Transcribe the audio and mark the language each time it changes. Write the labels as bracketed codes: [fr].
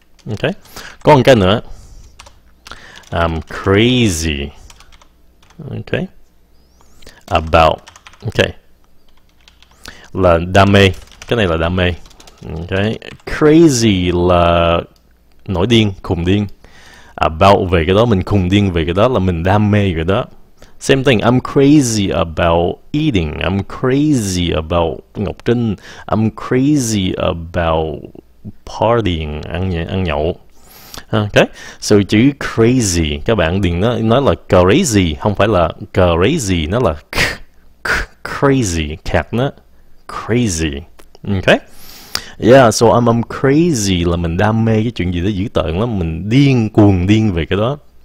[vi] Okay. Có một cái nữa, I'm crazy. Okay. About. Okay. Là đam mê. Cái này là đam mê. Okay. Crazy là nổi điên, khùng điên. About về cái đó, mình khùng điên về cái đó, là mình đam mê cái đó. [en] Same thing, I'm crazy about eating, I'm crazy about Ngọc Trinh, I'm crazy about partying, [vi] ăn nhậu. Okay, so chữ crazy các bạn đừng nói là crazy, không phải là crazy, nó là crazy, kẹt nó crazy. Okay, yeah, so I'm crazy là mình đam mê cái chuyện gì đó dữ tợn lắm, mình điên cuồng điên về cái đó.